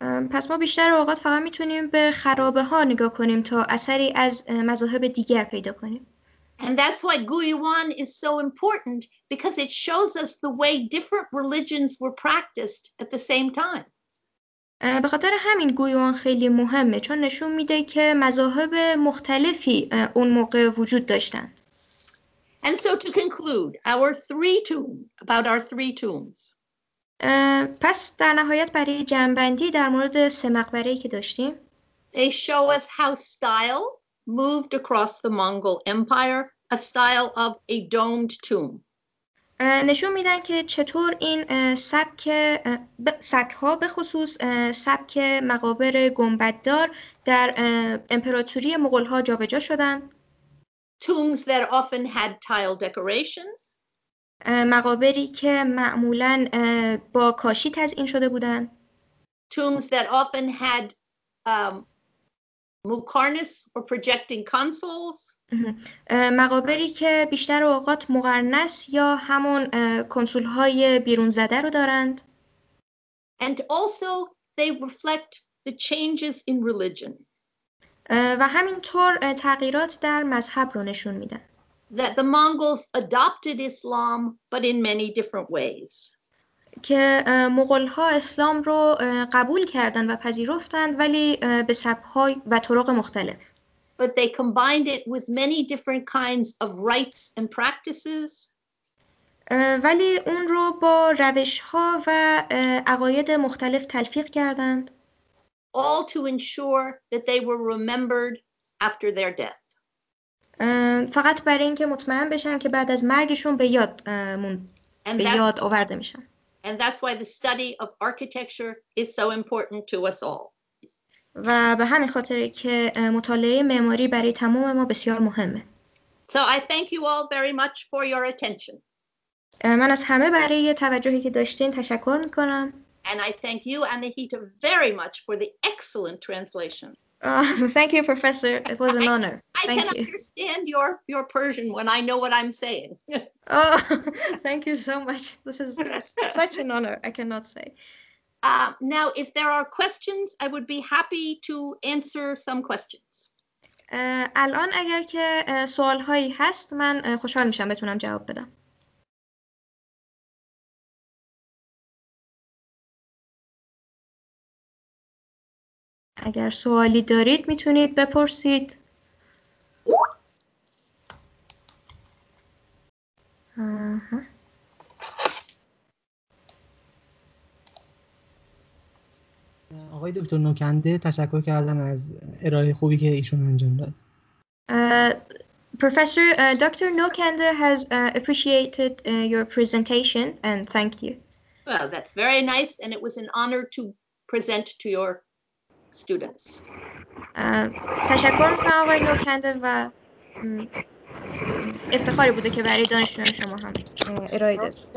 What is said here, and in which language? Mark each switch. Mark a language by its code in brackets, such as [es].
[fa] پس ما بیشتر اوقات فقط میتونیم به خرابه ها نگاه کنیم تا اثری از مذاهب دیگر پیدا کنیم. [en] And that's why Guyuan is so important because it shows us the way different religions were practiced at the same time. [fa] به خاطر همین گویوان خیلی مهمه چون نشون میده که مذاهب مختلفی اون موقع وجود داشتند. [en] And so to conclude, about our three tombs. [fa] پس در نهایت برای جمع‌بندی در مورد سه مقبره‌ای که داشتیم، [en] they show us how style moved across the Mongol Empire, a style of a domed tomb. [fa] نشون میدن که چطور این سبک‌ها به خصوص سبک مقابر گنبددار در امپراتوری مغول‌ها جابجا شدن. [en] Tombs that often had tile decorations. [fa] مقابری که معمولاً با کاشی تزئین شده بودند. [en] Tombs that often had mukarnis or projecting consoles. [fa] مقابری که بیشتر اوقات مقرنس یا همون کنسول‌های بیرون زده رو دارند. [en] And also they reflect the changes in religion. [fa] و همینطور تغییرات در مذهب رو نشون میدن. [en] That the Mongols adopted Islam, but in many different ways. [fa] که مغول‌ها اسلام رو قبول کردند و پذیرفتند ولی به سبک‌های و طرق مختلف. [en] But they combined it with many different kinds of rites and practices. [fa] ولی اون رو با روش‌ها و عقاید مختلف تلفیق کردند. [en] All to ensure that they were remembered after their death. [fa] فقط برای اینکه مطمئن بشن که بعد از مرگشون به یاد مون به یاد آورده میشن. [en] And that's why the study of architecture is so important to us all. [fa] و به همین خاطر که مطالعه معماری برای تمام ما بسیار مهمه. [en] So I thank you all very much for your attention. [fa] من از همه برای توجهی که داشتین تشکر میکنم. [en] And I thank you and Anahita very much for the excellent translation. Thank you, Professor. It was an honor. I can understand your Persian when I know what I'm saying. Oh, thank you so much. This is such an honor. I cannot say. Now, if there are questions, I would be happy to answer some questions. [fa] الان اگر که سوال‌هایی هست، من خوشحال میشم بتونم جواب بدم. اگر سوالی دارید میتونید بپرسید. آقای دکتر نوکنده تشکر کردم از ارائه خوبی که ایشون انجام داد. [en] Professor Dr. Nokande has appreciated your presentation and thanked you. Well, that's very nice and it was an honor to present to your students. [fa] تشکر می‌کنم آقای نوکنده و افتخاری بوده که برای دانشجویان شما هم ارائه داد.